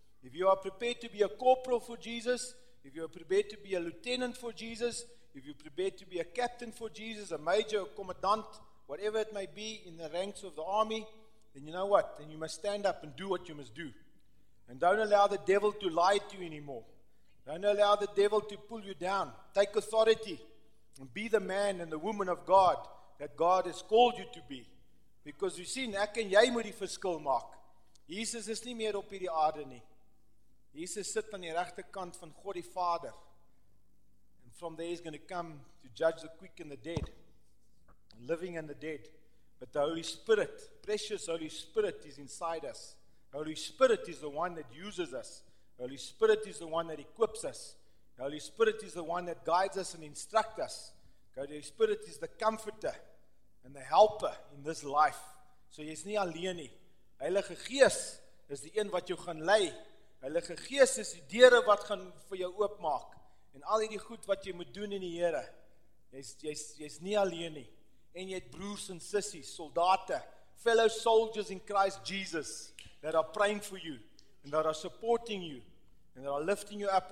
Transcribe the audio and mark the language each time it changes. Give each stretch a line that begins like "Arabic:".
English: If you are prepared to be a corporal for Jesus, if you are prepared to be a lieutenant for Jesus, if you are prepared to be a captain for Jesus, a major, a commandant, whatever it may be in the ranks of the army, then you know what? Then you must stand up and do what you must do. And don't allow the devil to lie to you anymore. Don't allow the devil to pull you down. Take authority and be the man and the woman of God that God has called you to be. Because you see,
Afrikaans: ek en jy moet die verskil maak. Jesus is nie meer op hierdie aarde nie. Jesus sit aan die regterkant van God die Vader.
English: And from there he's going to come to judge the quick and the dead. And living and the dead. But the Holy Spirit, precious Holy Spirit is inside us. Holy Spirit is the one that uses us. Holy Spirit is the one that equips us. Holy Spirit is the one that guides us and instructs us. God, Holy Spirit is the comforter and the helper in this life.
Afrikaans: So jy is nie alleen nie. Heilige Gees is die een wat jou gaan lei. Heilige Gees is die deure wat gaan vir jou oopmaak. En al die goed wat jy moet doen in die Here. Jy is nie alleen nie. En jy het broers en sissies, soldate,
English: fellow soldiers in Christ Jesus that are praying for you. And that are supporting you. And that are lifting you up.